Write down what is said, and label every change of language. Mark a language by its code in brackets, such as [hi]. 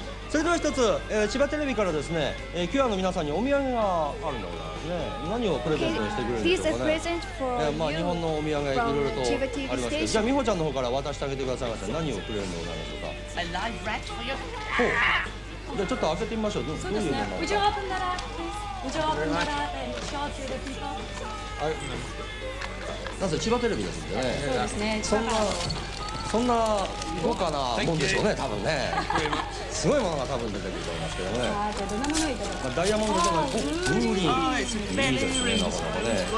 [ja] それでは一つ、千葉テレビからですね、キュアの皆さんにお土産があるんだろうね。何をプレゼントしてくれるんでしょうかね。 [en] Okay. [ja] まあ日本のお土産いろいろとありますけど、じゃあ美穂ちゃんの方から渡してあげてくださいました。何をくれるんでございましょうか。ほう、じゃあちょっと開けてみましょう。どういうものなのか。 [en] Would you open that up, please? Would you open that up and show to the people? [ja] なぜ千葉テレビですんでね。そうですね。そんな豪華なもんでしょうね、多分ね。すごいものが多分出てくると思いますけどね。まあ、ダイヤモンドじゃない。おっ、ブルーリン。いいですね、なかなかね。